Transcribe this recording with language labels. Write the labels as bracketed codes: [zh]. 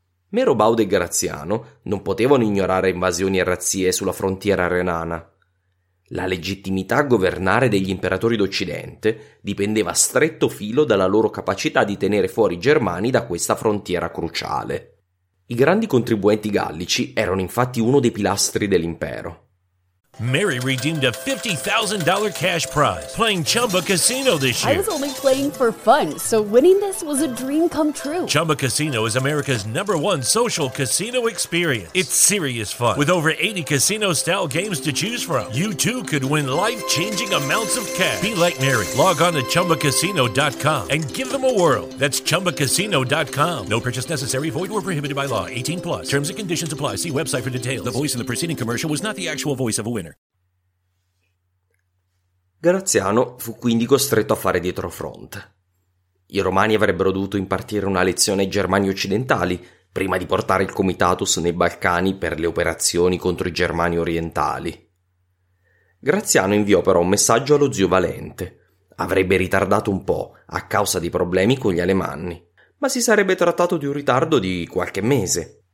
[it] Merobaude e Graziano non potevano ignorare invasioni e razzie sulla frontiera renana. La legittimità a governare degli imperatori d'Occidente dipendeva a stretto filo dalla loro capacità di tenere fuori i germani da questa frontiera cruciale. I grandi contribuenti gallici erano infatti uno dei pilastri dell'impero. [en] Mary redeemed a $50,000 cash prize playing Chumba Casino this year. I was only playing for fun, so winning this was a dream come true. Chumba Casino is America's number one social casino experience. It's serious fun. With over 80 casino-style games to choose from, you too could win life-changing amounts of cash. Be like Mary. Log on to ChumbaCasino.com and give them a whirl. That's ChumbaCasino.com. No purchase necessary. Void where prohibited by law. 18 plus. Terms and conditions apply. See website for details. The voice in the preceding commercial was not the actual voice of a [it] Graziano fu quindi costretto a fare dietro fronte. I romani avrebbero dovuto impartire una lezione ai germani occidentali prima di portare il comitatus nei Balcani per le operazioni contro i germani orientali. Graziano inviò però un messaggio allo zio Valente. Avrebbe ritardato un po' a causa dei problemi con gli alemanni, ma si sarebbe trattato di un ritardo di qualche mese.